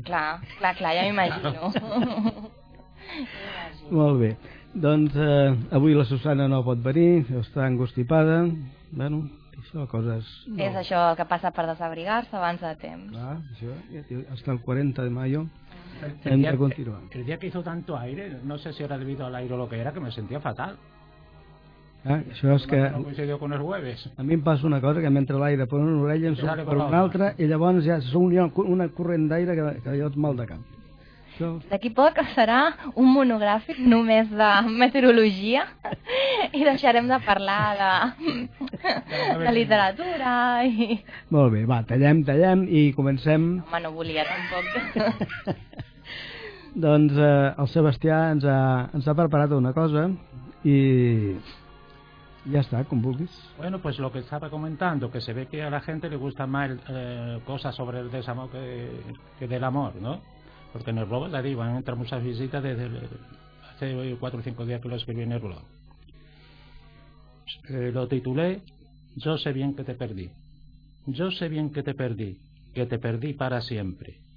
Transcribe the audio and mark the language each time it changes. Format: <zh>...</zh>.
<ca>Clar, clar, clar, ja m'imagino. Molt bé. Doncs avui la Susana no pot venir, està engostipada. Bueno, això, coses... No. És això el que passa per desabrigar-se abans de temps. Clar, això,</ca> <es>hasta el 40 de mayo</es> <ca>hem de continuar.</ca> <es>El dia que hizo tanto aire, no sé si era debido al aire o lo que era, que me sentía fatal.</es> <ca>Això és que...</ca> <es>No coincidió con los jueves.</es> <ca>A mi em passa una cosa, que mentre l'aire per una orella em surt per una altra, i llavors ja s'unió una corrent d'aire que jo et mal de cap. D'aquí poc serà un monogràfic només de meteorologia i deixarem de parlar de literatura i... Molt bé, va, tallem i comencem. Home, no volia tampoc. Doncs el Sebastià ens ha preparat una cosa i ja està, com vulguis.</ca> <es>Bueno, pues lo que estaba comentando, que se ve que a la gente le gusta más cosas sobre el desamor que del amor, ¿no? Porque en el blog, ya digo, han entrado muchas visitas desde hace 4 o 5 días que lo escribí en el blog. Lo titulé, Yo sé bien que te perdí. Yo sé bien que te perdí para siempre.</es>